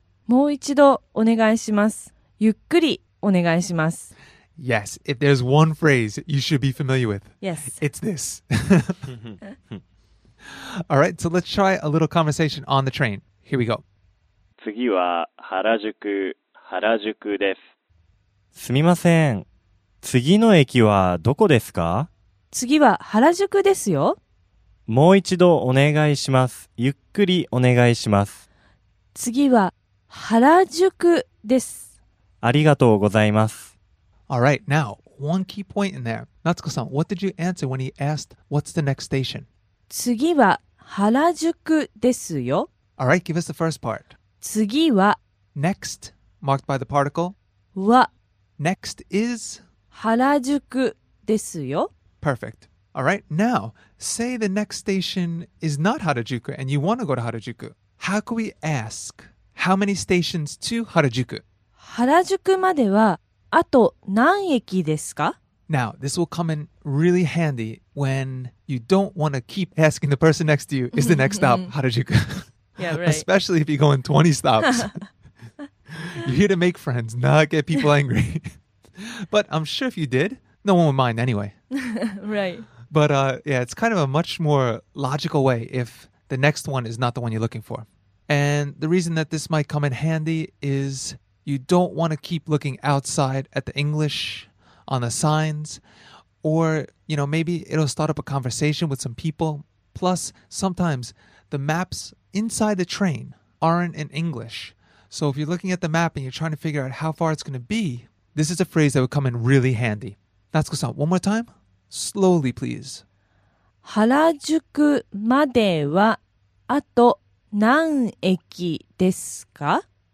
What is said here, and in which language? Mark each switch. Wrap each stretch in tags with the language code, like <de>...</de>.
<ja>もう一度お願いします。ゆっくりお願いします。</ja> <en>Yes, if there's one phrase you should be familiar with. Yes. It's this. All right, so let's try a little conversation on the train. Here we go.</en> <ja>次は原宿です。すみません。次の駅はどこですか? 次は原宿ですよ。もう一度お願いします。ゆっくりお願いします。次は原宿です。ありがとうございます。</ja> <en>All right, now, one key point in there. Natsuko-san, what did you answer when he asked, what's the next station?</en> <ja>次は原宿ですよ。</ja> <en>All right, give us the first part.</en> <ja>次は</ja> <en>Next, marked by the particle.</en> <ja>は</ja> <en>Next is</en> <ja>原宿ですよ。</ja> <en>Perfect. All right, now, say the next station is not Harajuku and you want to go to Harajuku. How can we ask how many stations to Harajuku?</en> <ja>原宿まではあと何駅ですか?</ja> <en>Now, this will come in really handy when you don't want to keep asking the person next to you, is the next stop Harajuku? Yeah, right. Especially if you go in 20 stops. You're here to make friends, not get people angry. But I'm sure if you did, no one would mind anyway. Right. But yeah, it's kind of a much more logical way if the next one is not the one you're looking for. And the reason that this might come in handy is... You don't want to keep looking outside at the English on the signs. Or, you know, maybe it'll start up a conversation with some people. Plus, sometimes the maps inside the train aren't in English. So if you're looking at the map and you're trying to figure out how far it's going to be, this is a phrase that would come in really handy. Natsuko-san, one more time. Slowly, please.</en> <ja>原宿まではあと何駅ですか?</ja>